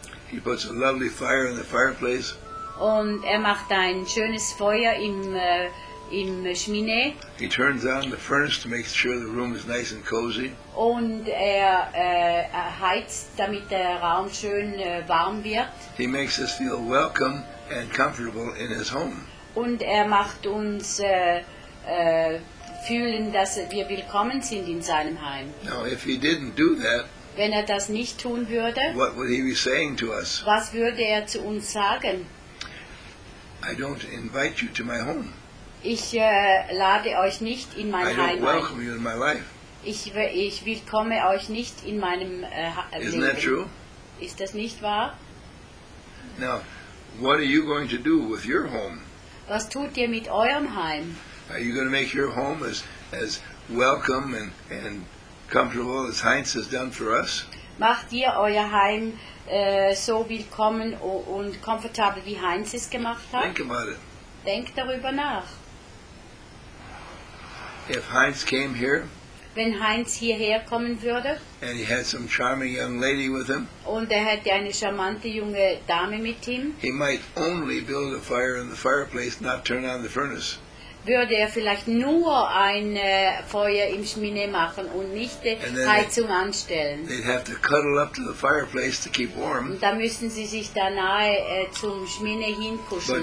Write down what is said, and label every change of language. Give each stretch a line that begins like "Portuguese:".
English: He puts a lovely fire in the fireplace.
German: Und macht ein schönes Feuer im im Cheminée.
English: He turns on the furnace to make sure the room is nice and cozy.
German: Und heizt, damit der Raum schön warm wird.
English: He makes us feel welcome and comfortable in his home.
German: Und macht uns fühlen, dass wir willkommen sind in seinem Heim.
English: Now, if he didn't do that,
German: wenn das nicht tun würde,
English: what would he be saying to us?
German: Was würde zu uns sagen?
English: I don't invite you to my home.
German: Ich lade euch nicht in mein Heim ein.
English: I don't welcome you in my life.
German: Ich willkomme euch nicht in meinem Leben.
English: Isn't that true?
German: Ist das nicht wahr?
English: Now, what are you going to do with your home?
German: Was tut ihr mit eurem Heim?
English: Are you going to make your home as welcome and comfortable as Heinz has done for us?
German: Macht ihr euer Heim so willkommen und komfortabel wie Heinz es gemacht hat?
English: Think about it.
German: Denk darüber nach.
English: If Heinz came here,
German: wenn Heinz hierher kommen würde,
English: and he had some charming young lady with him,
German: und hätte eine charmante junge Dame mit ihm,
English: he might only build a fire in the fireplace, not turn on the furnace.
German: Würde vielleicht nur ein Feuer im Cheminée machen und nicht die Heizung anstellen.
English: They'd have to cuddle up to the fireplace to keep warm.
German: Und da müssten sie sich da nahe zum Cheminée hinkuscheln.